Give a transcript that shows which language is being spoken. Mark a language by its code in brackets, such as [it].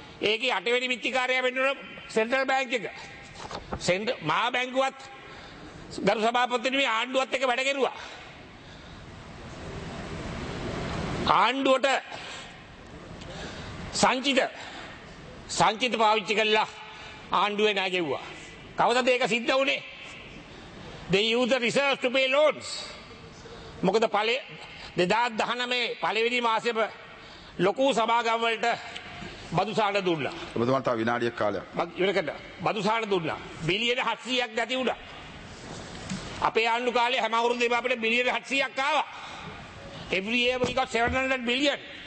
[si] ඒකේ 8 වෙනි මිත්‍තිකාරයා වෙන්න සෙන්ට්‍රල් බැංක් එක. මහා බැංකුවත් ගරු සභාපතිනිමේ ආණ්ඩුවත් එක වැඩ කෙරුවා. ආණ්ඩුවට සංචිත පාවිච්චි කළා ආණ්ඩුවේ නැගෙව්වා. කවදද ඒක සිද්ධ වුණේ? [en] They use the reserves to pay loans. [si] මොකද ඵලයේ 2019 පළවෙනි මාසයේ ලොකු සභාගම් වලට බදුසාන දුන්නා. ඔබතුමා තව විනාඩියක් කාලයක්. ඉවරකට බදුසාන දුන්නා. බිලියන 700ක් නැති වුණා. අපේ ආණ්ඩු කාලේ හැම අවුරුද්දේම අපිට බිලියන 700ක් ආවා. [en] Every year we got 700 billion.